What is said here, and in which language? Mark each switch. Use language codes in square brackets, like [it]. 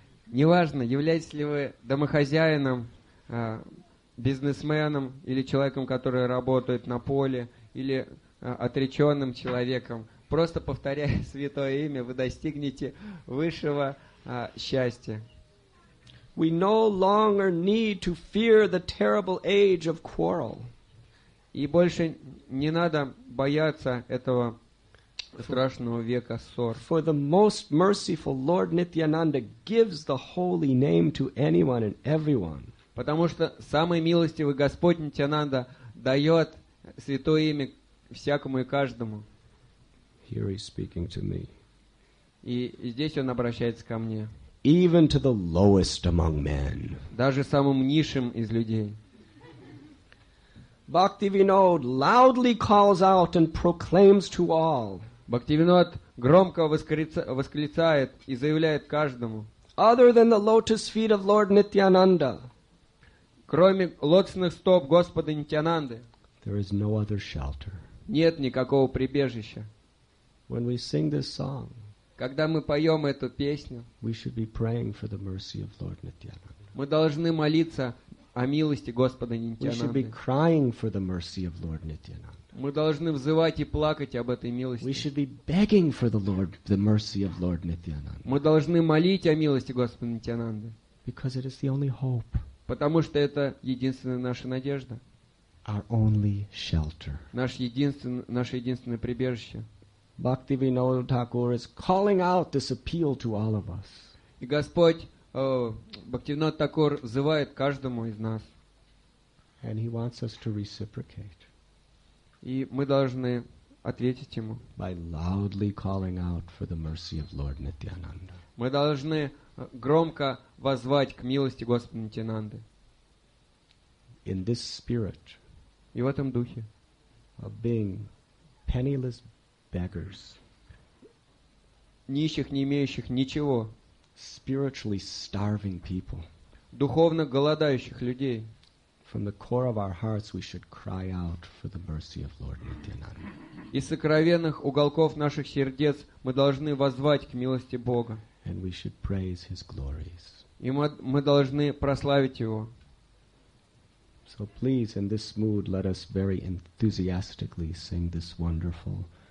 [ru] Неважно, являетесь ли вы домохозяином, бизнесменом или человеком, который работает на поле, или отреченным человеком, просто повторяя святое имя, вы достигнете высшего счастья. [en] We no longer need to fear the terrible age of quarrel. [ru] И больше не надо бояться этого страшного века ссор. [en] For the most merciful Lord Nityananda gives the holy name to anyone and everyone. [ru] Потому что самый милостивый Господь Нитьянанда дает святое имя всякому и каждому. [en] Here he's speaking to me. [ru] И здесь он обращается ко мне. [en] Even to the lowest among men. [ru] Даже самым низшим из людей. [en] Bhaktivinoda loudly calls out and proclaims to all. [ru] Bhaktivinoda громко восклицает и заявляет каждому. [en] Other than the lotus feet of Lord Nityananda. [ru] Кроме лотосных стоп Господа Нитьянанды. [en] There is no other shelter. [ru] Нет никакого прибежища. [en] When we sing this song, [ru] когда мы поем эту песню, [en] we should be praying for the mercy of Lord Nityananda. [ru] Мы должны молиться о милости Господа Нитьянанды. [en] We should be crying for the mercy of Lord Nityananda. [ru] Мы должны взывать и плакать об этой милости. [en] We should be begging for the Lord, the mercy of Lord Nityananda. [ru] Мы должны молить о милости Господа Нитянанды. [en] Because it is the only hope. [ru] Потому что это единственная наша надежда. [en] Our only shelter. [ru] Наше единственное прибежище. [en] Bhaktivinoda Thakur is calling out this appeal to all of us. [ru] И Господь Бхактивинода Такур взывает каждому из нас. [en] And he wants us to reciprocate. [ru] И мы должны ответить ему. [en] By loudly calling out for the mercy of Lord Nityananda. [ru] Мы должны громко воззвать к милости Господа Нитянанды. [en] In this spirit. [ru] И в этом духе. [en] Of being penniless beggars. [ru] Нищих, не имеющих ничего. [en] Spiritually starving people. [ru] Духовно голодающих людей. [en] From the core of our hearts, we should cry out for the mercy of Lord Nityananda. [ru] Из сокровенных уголков наших сердец мы должны воззвать к милости Бога. [en] And we should praise His glories. [ru] И мы должны прославить Его. [en] So please, in this mood, let us very enthusiastically sing this wonderful song.